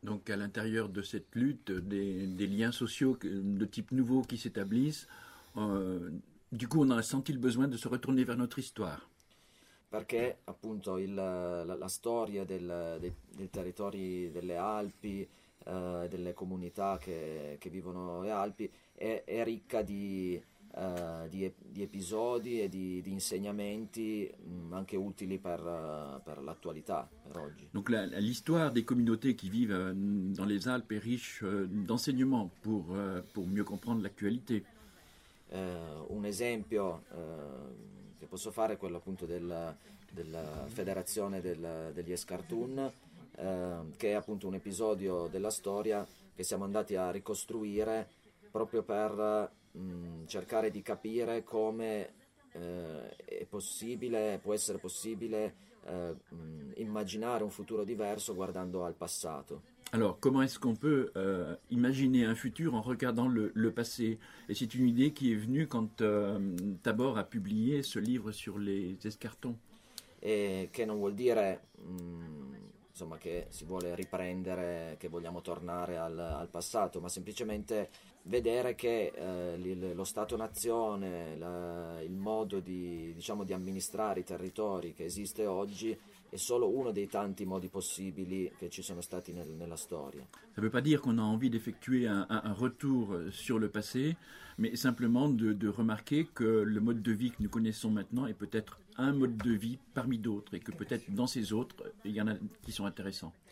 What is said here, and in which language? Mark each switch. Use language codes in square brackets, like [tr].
[fr] Donc à l'intérieur de cette lutte, des liens sociaux de type nouveau qui s'établissent, du coup on a senti le besoin de se retourner vers notre histoire. [it] Perché appunto la storia del territorio delle Alpi, delle comunità che vivono le Alpi, è ricca di episodi e di insegnamenti anche utili per l'attualità, per oggi. [fr] Donc l'histoire des communautés qui vivent dans les Alpes est riche d'enseignements pour mieux comprendre l'actualité. [it] Un esempio che posso fare è quello appunto della federazione degli Escartun, che è appunto un episodio della storia che siamo andati a ricostruire proprio per cercare di capire come può essere possibile immaginare un futuro diverso guardando al passato. [fr] Alors, comment est-ce qu'on peut imaginer un futur en regardant le passé? Et c'est une idée qui est venue quand Tabor a publié ce livre sur les escartons. [it] Et che non vuol dire insomma che si vuole riprendere, che vogliamo tornare al passato, ma semplicemente vedere che lo Stato-nazione, il modo di, diciamo, di amministrare i territori che esiste oggi è solo uno dei tanti modi possibili che ci sono stati nella storia. [fr] Ça veut pas dire qu'on a envie d'effectuer un retour sur le passé, mais simplement de remarquer que le mode de vie que nous connaissons maintenant est peut-être un mode de vie parmi d'autres et que peut-être dans ces autres il y en a qui sont intéressants.